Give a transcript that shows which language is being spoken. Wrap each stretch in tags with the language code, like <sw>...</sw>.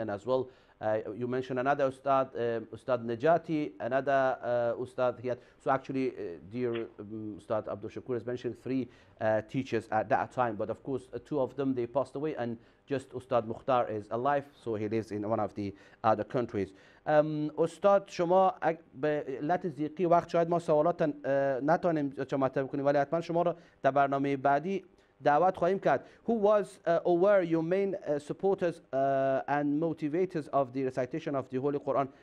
<en>And as well, you mentioned another Ustad, Ustad Najati, another Ustad he had. So actually, dear Ustad Abdul Shokour has mentioned three teachers at that time. But of course, two of them, they passed away, and just Ustad Mukhtar is alive. So he lives in one of the other countries.</en> <fa>استاد شما به علت ضیقی وقت شاید ما سوالات نتونیم شما مطرح کنیم ولی حتما شما رو در برنامه بعدی دعوت خواهیم کرد.</fa> <en>Who was or were your main supporters and motivators of the recitation of the Holy Quran?</en>